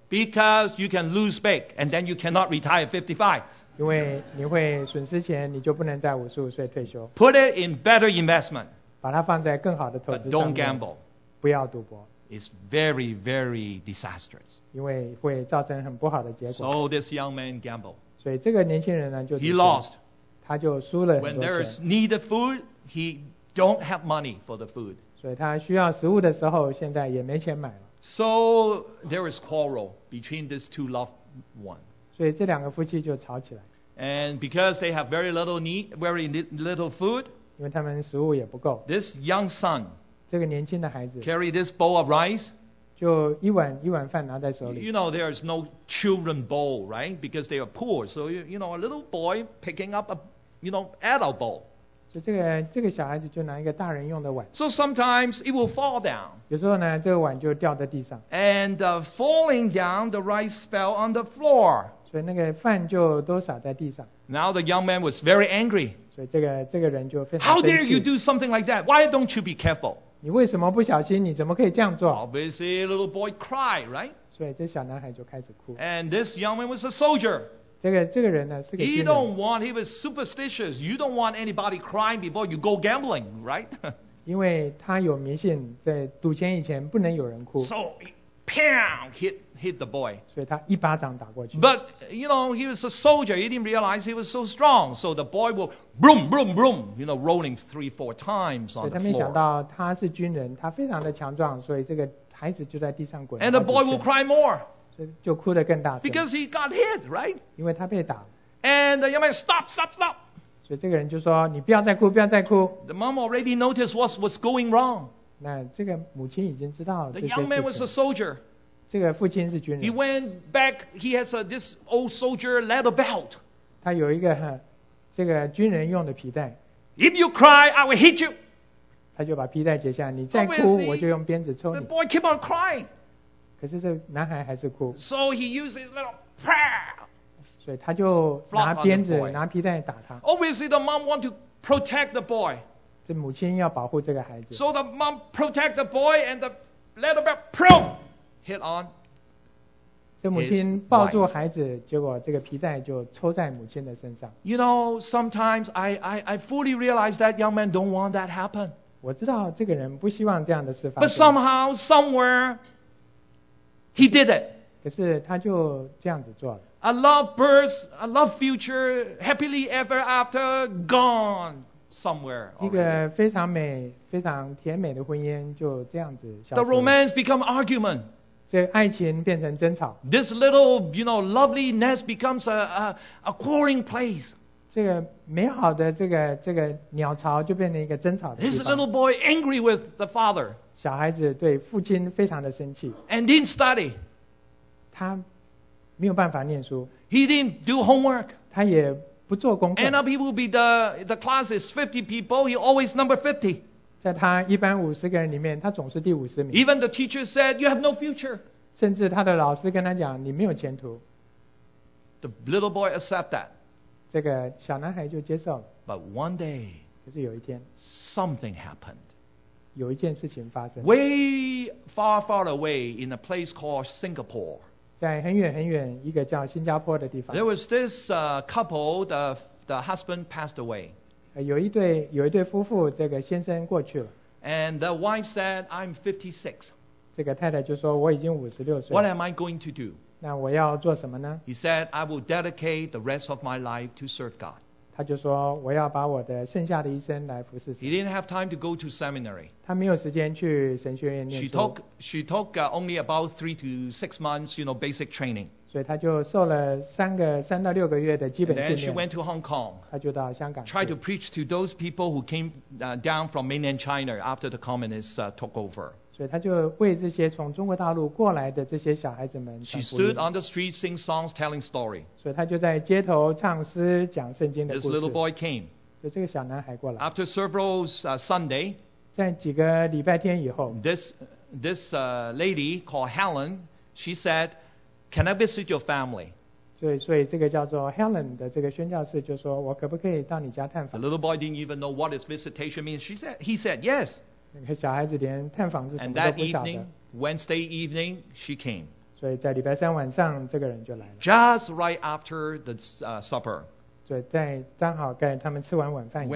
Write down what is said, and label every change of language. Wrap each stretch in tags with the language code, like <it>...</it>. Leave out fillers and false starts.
<en>Because you can lose big, and then you cannot retire at 55.</en> <zh>因为你会损失钱，你就不能在55岁退休。</zh> <en>Put it in better investment.</en> <zh>把它放在更好的投资上面。</zh> <en>But don't gamble.</en> <zh>不要赌博。</zh> <en>It's very, very disastrous.</en> <zh>因为会造成很不好的结果。</zh> <en>So this young man gambled.</en> <zh>所以这个年轻人呢，就</zh> <en>He lost.</en> <zh>他就输了很多钱。</zh> <en>When there is need of food, he don't have money for the food.</en> <zh>所以他需要食物的时候，现在也没钱买了。</zh> <en>So there is quarrel between these two loved ones.</en> <zh>所以这两个夫妻就吵起来。</zh> <en>And because they have very little food,</en> <zh>因为他们食物也不够。</zh> <en>This young son,</en> <zh>这个年轻的孩子</zh> <en>carry this bowl of rice,</en> <zh>就一碗一碗饭拿在手里。</zh> <en>You know there is no children bowl, right? Because they are poor. So you know a little boy picking up a you know adult bowl.</en> <zh>就这个小孩子就拿一个大人用的碗。</zh> <en>So sometimes it will fall down.</en> <zh>有时候呢，这个碗就掉在地上。</zh> <en>And falling down, the rice fell on the floor.</en> <zh>所以那个饭就都洒在地上。</zh> <en>Now the young man was very angry.</en> <zh>所以这个人就非常</zh> <en>How dare you do something like that? Why don't you be careful?</en> <zh>你为什么不小心？你怎么可以这样做</zh> <en>？Obviously, little boy cry, right?</en> <zh>所以这小男孩就开始哭。</zh> <en>And this young man was a soldier.</en> <zh>这个人呢是个军人。</zh> <en>He was superstitious. You don't want anybody crying before you go gambling, right?</en> <zh>因为他有迷信，在赌钱以前不能有人哭。</zh> <en>So, pow hit the boy.</en> <zh>所以他一巴掌打过去。</zh> <en>But you know he was a soldier. He didn't realize he was so strong. So the boy will boom, boom, boom. You know, rolling 3-4 times on the floor.</en> <zh>他没想到他是军人，他非常的强壮，所以这个孩子就在地上滚。</zh> <en>And the boy will cry more.</en> <zh>就哭得更大声。</zh> <en>Because he got hit, right?</en> <zh>因为他被打。</zh> <en>And the young man stop.</en> <zh>所以这个人就说：“你不要再哭，不要再哭。”</zh> <en>The mom already noticed what's going wrong.</en> <zh>那这个母亲已经知道了。</zh> <en>The young man was a soldier.</en> <zh>这个父亲是军人。</zh> <en>He went back. He has this old soldier leather belt.</en> <zh>他有一个这个军人用的皮带。</zh> <en>If you cry, I will hit you.</en> <zh>他就把皮带解下，你再哭，我就用鞭子抽你。</zh> <en>The boy keep on crying.</en> <zh>可是这男孩还是哭。</zh> <en>So he uses his little pow.</en> <zh>所以他就拿鞭子、拿皮带打他。</zh> <en>Obviously, the mom want to protect the boy.</en> <zh>这母亲要保护这个孩子。</zh> <en>So the mom protect the boy and the leather belt pow. Hit on.</en> <zh>这母亲抱住孩子，结果这个皮带就抽在母亲的身上。</zh> <en>You know, sometimes I fully realize that young man don't want that happen.</en> <zh>我知道这个人不希望这样的事发生。</zh> <en>But somehow, somewhere, he did it.</en> <zh>可是他就这样子做了。</zh> <en>A love birth, a love future, happily ever after, gone somewhere.</en> <zh>一个非常美、非常甜美的婚姻就这样子消失。</zh> <en>The romance become argument.</en> <zh>这爱情变成争吵。</zh> <en>This little, you know, lovely nest becomes a quarreling place.</en> <zh>这个美好的这个鸟巢就变成一个争吵的地方。</zh> <en>This little boy angry with the father.</en> <zh>小孩子对父亲非常的生气。</zh> <en>And didn't study.</en> <zh>他没有办法念书。</zh> <en>He didn't do homework.</en> <zh>他也不做功课。</zh> <en>And up he will be the class is 50 people. He always number 50.</en> <zh>在他一般五十个人里面，他总是第五十名。</zh> <en>Even the teacher said, "You have no future."</en> <zh>甚至他的老师跟他讲，你没有前途。</zh> <en>The little boy accept that.</en> <zh>这个小男孩就接受了。</zh> <en>But one day,</en> <zh>就是有一天</zh> <en>something happened.</en> <zh>有一件事情发生。</zh> <en>Way far, far away in a place called Singapore.</en> <zh>在很远很远一个叫新加坡的地方。</zh> <en>There was this couple, the husband passed away.</en> <zh>有一对夫妇，这个先生过去了。</zh> <en>And the wife said, "I'm 56."</en> <zh>这个太太就说我已经五十六岁。</zh> <en>What am I going to do?</en> <zh>那我要做什么呢</zh> <en>？He said, "I will dedicate the rest of my life to serve God."</en> <zh>他就说我要把我的剩下的一生来服侍神。</zh> <en>He didn't have time to go to seminary.</en> <zh>他没有时间去神学院念书。</zh> <en>She took only about 3 to 6 months, you know, basic training.</en> <zh>所以他就受了三到六个月的基本训练。</zh> <en>And then she went to Hong Kong.</en> <zh>他就到香港。</zh> <en>Tried to preach to those people who came down from mainland China after the communists took over.</en> <zh>所以他就为这些从中国大陆过来的这些小孩子们。</zh> <en>She stood on the street, sing songs, telling story.</en> <zh>所以他就在街头唱诗，讲圣经的故事。</zh> <en>This little boy came.</en> <zh>所以这个小男孩过来。</zh> <en>After several Sunday.</en> <zh>在几个礼拜天以后。</zh> <en>This lady called Helen, she said, "Can I visit your family?"</en> <zh>所以这个叫做 Helen 的这个宣教士就说，我可不可以到你家探访</zh> <en>？The little boy didn't even know what his visitation means. He said, "Yes."</en> <zh>那个小孩子连探访是什么都不晓得。</zh> <en>And that evening, Wednesday evening, she came.</en> <zh>所以在礼拜三晚上，这个人就来了。</zh> <en>Just right after the supper.</en> <zh>所以在刚好跟他们吃完晚饭以后。</zh>